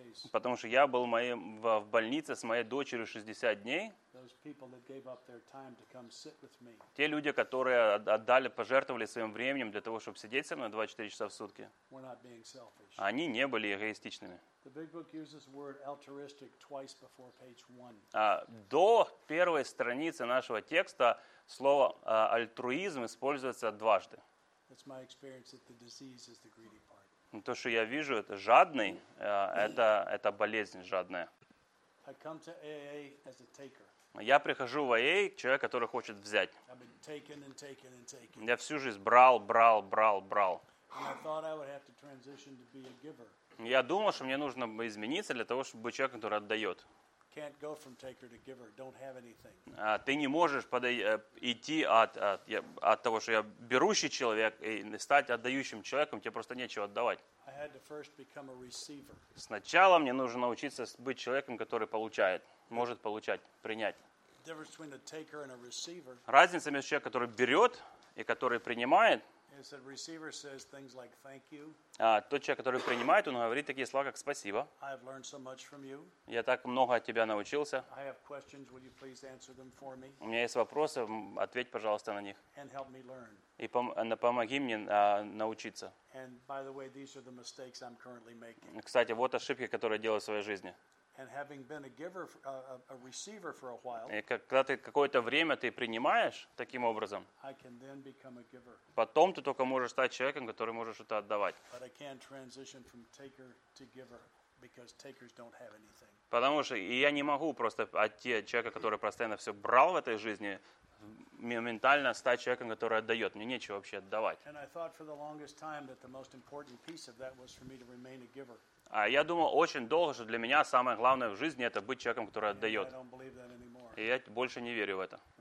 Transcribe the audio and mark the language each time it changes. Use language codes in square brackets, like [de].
[ru] Потому что я был в больнице с моей дочерью 60 дней. [en] was people that gave up their time to come sit with me. [ru] Те люди, которые отдали, пожертвовали своим временем для того, чтобы сидеть со мной 24 часа в сутки. [en] Were not being selfish. [ru] Они не были эгоистичными. [en] The Big Book uses the word altruistic twice before page one. [ru] До первой страницы нашего текста слово альтруизм используется дважды. [en] That's my experience that the disease is the greedy part. [ru] То, что я вижу, это жадный, это болезнь жадная. [en] I come to AA as a taker. [ru] Я прихожу в AA, человек, который хочет взять. [en] I've been taken and taken and taken. [ru] Я всю жизнь брал. [en] And I thought I would have to transition to be a giver. [ru] Я думал, что мне нужно измениться для того, чтобы быть человеком, который отдает. [en] Can't go from taker to giver, don't have anything. [ru] Ты не можешь идти от того, что я берущий человек, и стать отдающим человеком, тебе просто нечего отдавать. [en] I had to first become a receiver. [ru] Сначала мне нужно научиться быть человеком, который получает, может получать, принять. [en] The difference between a taker and a receiver. [ru] Разница между человеком, который берет и который принимает. [en] Is that receiver says things like thank you. [ru] Тот человек, который принимает, он говорит такие слова, как спасибо. [en] I have learned so much from you. [ru] Я так много от тебя научился. [en] I have questions, will you please answer them for me? [ru] У меня есть вопросы, ответь, пожалуйста, на них. [en] And help me learn. [ru] И помоги мне научиться. [en] And by the way, these are the mistakes I'm currently making. [ru] Кстати, вот ошибки, которые я делаю в своей жизни. [en] And having been a giver, a receiver for a while. [ru] И когда ты какое-то время ты принимаешь таким образом. [en] I can then become a giver. [ru] Потом ты только можешь стать человеком, который можешь что-то отдавать. [en] But I can't transition from taker to giver because takers don't have anything. [ru] Потому что я не могу просто отойти от человека, который постоянно все брал в этой жизни, моментально стать человеком, который отдает. Мне нечего вообще отдавать. [en] And I thought for the longest time that the most important piece of that was for me to remain a giver. [ru] А я думал очень долго, что для меня самое главное в жизни – это быть человеком, который отдает. И я больше не верю в это.